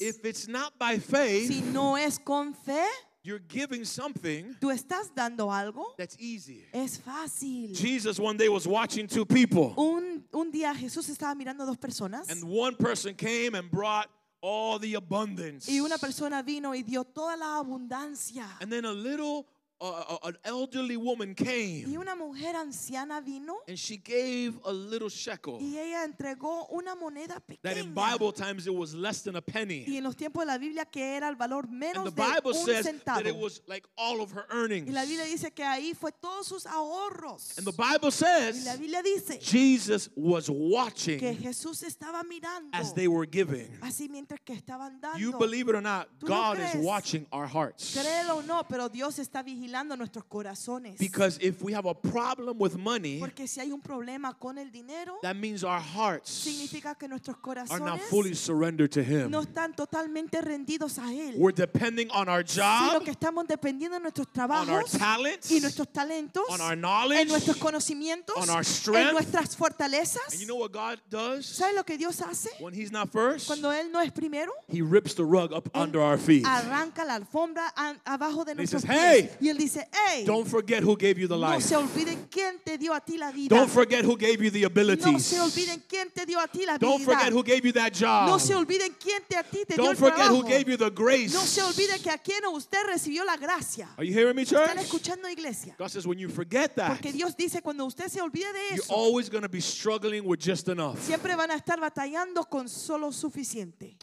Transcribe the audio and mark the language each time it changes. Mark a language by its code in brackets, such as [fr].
[en] If it's not by faith. [es] Si no es con fe. [en] You're giving something. [es] Tú estás dando algo. [en] That's easy. [es] Es fácil. [en] Jesus one day was watching two people. [es] Un día Jesús estaba mirando dos personas. [en] And one person came and brought all the abundance. [es] Y una persona vino y dio toda la abundancia. [en] And then a little an elderly woman came. [es] Y una mujer anciana vino. [en] And she gave a little shekel. [es] Y ella entregó una moneda pequeña. [en] That in Bible times it was less than a penny. [es] Y en los tiempos de la Biblia que era el valor menos de un centavo. [en] And the Bible says that it was like all of her earnings. [es] Y la Biblia dice que ahí fue todos sus ahorros. [en] And the Bible says. [es] Y la Biblia dice. [en] Jesus was watching. [es] Que Jesús estaba mirando. [en] As they were giving. [es] Así mientras que estaban dando. [en] You believe it or not, God is watching our hearts. [es] Créelo o no, pero Dios está vigilando. [en] Because if we have a problem with money, [es] porque si hay un problema con el dinero, [en] that means our hearts [es] significa que nuestros corazones [en] are not fully surrendered to Him. [es] No están totalmente rendidos a Él. [en] We're depending on our job, [es] sino que estamos dependiendo de nuestros trabajos, [en] on our talents, [es] y nuestros talentos, [en] on our knowledge, [es] en nuestros conocimientos, [en] on our strength, [es] en nuestras fortalezas. [en] And you know what God does? [es] ¿Sabes lo que Dios hace? [en] When He's not first, [es] cuando Él no es primero, [en] He rips the rug up under our feet. [es] Arranca la alfombra abajo de nuestros pies. [en] He says, [es] hey. Él dice, hey, [en] don't forget who gave you the life. [es] No se olviden quién te dio a ti la vida. [en] Don't forget who gave you the abilities. [es] No se olviden quién te dio a ti la vida. [en] Don't forget who gave you that job. [es] No se olviden quién te a ti te dio el trabajo. [en] Don't forget who gave you the grace. [es] No se olviden que a quién usted recibió la gracia. [en] Are you hearing me, church? [es] ¿Están escuchando, iglesia? [en] God says when you forget that. [es] Porque Dios dice cuando usted se olvide de eso. [en] You're always going to be struggling with just enough. [es] Siempre van a estar batallando con solo suficiente.